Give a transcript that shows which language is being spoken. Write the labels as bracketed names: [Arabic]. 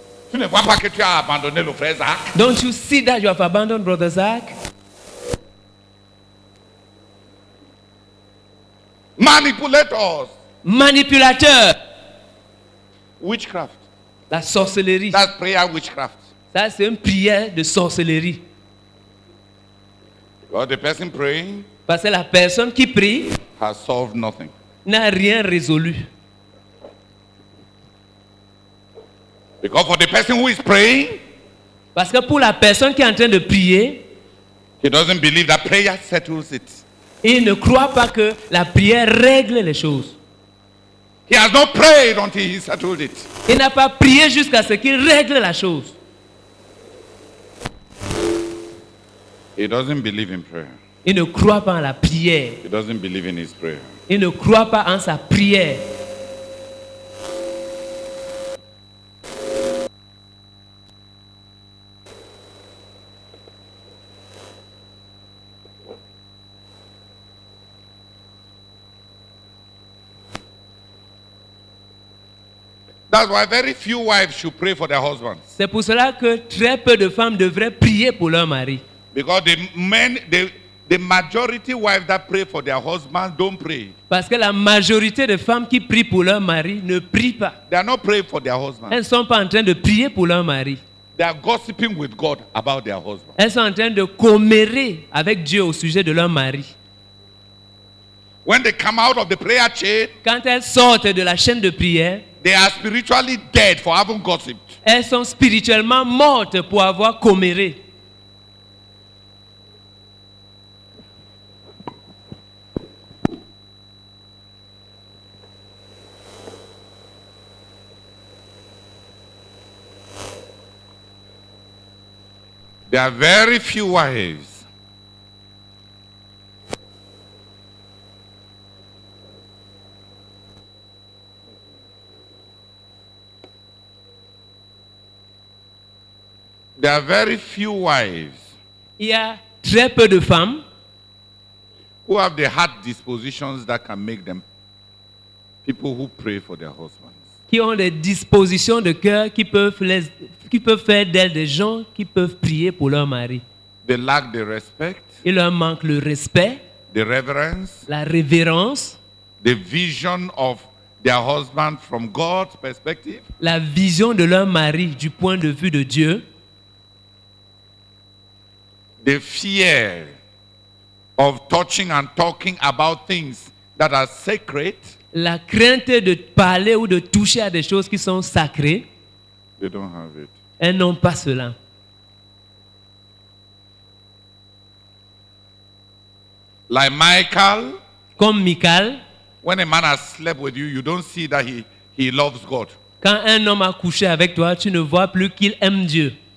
[French] Tu ne vois pas que tu as abandonné le frère Zach? [English] Don't you see that you have abandoned brother Zach? Manipulators. [French] Manipulateur. [English] Witchcraft. [French] La sorcellerie. [English] That's prayer witchcraft. [French] Ça, c'est une prière de sorcellerie. [English] Well, the person praying. [French] Parce que la personne qui prie [English] has solved nothing. [French] N'a rien résolu. [English] Because for the person who is praying, [French] parce que pour la personne qui est en train de prier, [English] he doesn't believe that prayer settles it. [French] Il ne croit pas que la prière règle les choses. [English] He has not prayed until he settled it. [French] Il n'a pas prié jusqu'à ce qu'il règle la chose. [English] He doesn't believe in prayer. [French] Il ne croit pas en la prière. [English] He doesn't believe in his prayer. [French] Il ne croit pas en sa prière. [English] That's why very few wives should pray for their husbands. [French] C'est pour cela que très peu de femmes devraient prier pour leur mari. [English] Because the men, the majority wives that pray for their husbands don't pray. [French] Parce que la majorité de femmes qui prient pour leur mari ne prient pas. [English] They are not praying for their husbands. [French] Elles sont pas en train de prier pour leur mari. [English] They are gossiping with God about their husbands. [French] Elles sont en train de commérer avec Dieu au sujet de leur mari. [English] When they come out of the prayer chain, [French] quand elles sortent de la chaîne de prière, [English] they are spiritually dead for having gossiped. [French] Elles sont spirituellement mortes pour avoir comméré. [English] There are very few wives [French] Il y a très peu de femmes [English] who have the heart dispositions that can make them people who pray for their husbands. [French] Qui ont des dispositions de cœur qui peuvent faire d'elles des gens qui peuvent prier pour leur mari. [English] They lack the respect. [French] Il leur manque le respect. [English] The reverence. [French] La révérence. [English] The vision of their husband from God's perspective. [French] La vision de leur mari du point de vue de Dieu. [English] The fear of touching and talking about things that are sacred. [French] La crainte de parler ou de toucher à des choses qui sont sacrées. [English] They don't have it. [French] Elles n'ont pas cela. [English] Like Michael. [French] Comme Michael. [English] When a man has slept with you, you don't see that he loves God. [French] Quand un homme a couché avec toi, tu ne vois plus qu'il aime Dieu.